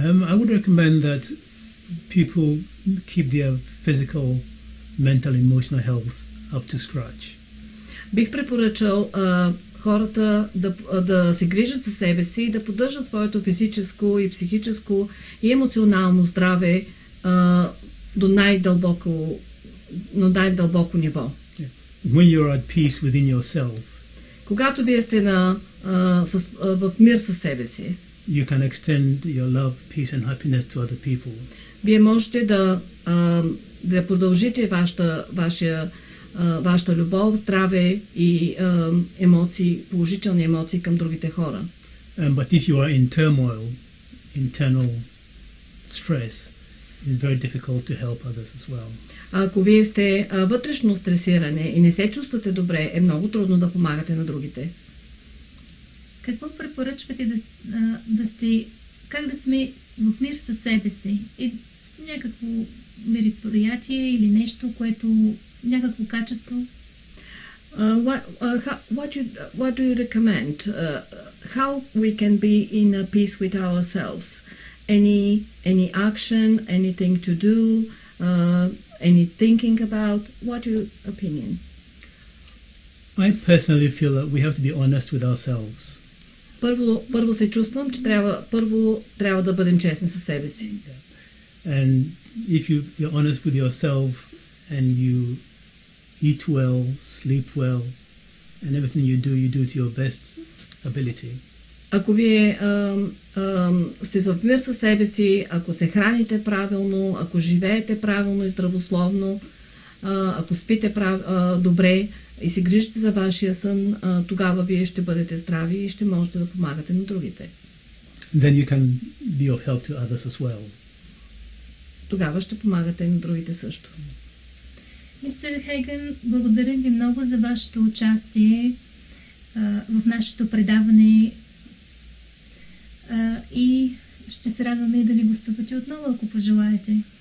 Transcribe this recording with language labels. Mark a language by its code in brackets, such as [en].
[en] I would recommend that people keep their physical, mental, emotional health up to scratch. [bg] Бих препоръчал хората да се грижат за себе си, да поддържат своето физическо и психическо и емоционално здраве до най-дълбоко, на най-дълбоко ниво. [en] When you're at peace within yourself, [bg] когато вие сте на, в мир със себе си, [en] you can extend your love, peace and happiness to other people. [bg] Вие можете да, да продължите вашата любов, здраве и емоции, положителни емоции към другите хора. [en] But if you are in turmoil, internal stress, it's very difficult to help others as well. [bg] Ако вие сте вътрешно стресирани и не се чувствате добре, е много трудно да помагате на другите. Какво препоръчвате да сте, как да сме в мир със себе си? И някакво мероприятие или нещо, което някакво качество? [en] What do you recommend? How we can be in a peace with ourselves? Any action, anything to do, any thinking about? What's your opinion? I personally feel that we have to be honest with ourselves. [bg] Първо се чувствам, че трябва да бъдем честни със себе си. [en] And if you're honest with yourself and you eat well, sleep well, and everything you do to your best ability. [bg] Ако вие сте в мир със себе си, ако се храните правилно, ако живеете правилно и здравословно, ако спите добре и се грижите за вашия сън, тогава вие ще бъдете здрави и ще можете да помагате на другите. [en] Then you can be of help to others as well. [bg] Тогава ще помагате на другите също. Мистер Хейгън, благодарим ви много за вашето участие в нашето предаване и ще се радваме да ни гостувате отново, ако пожелаете.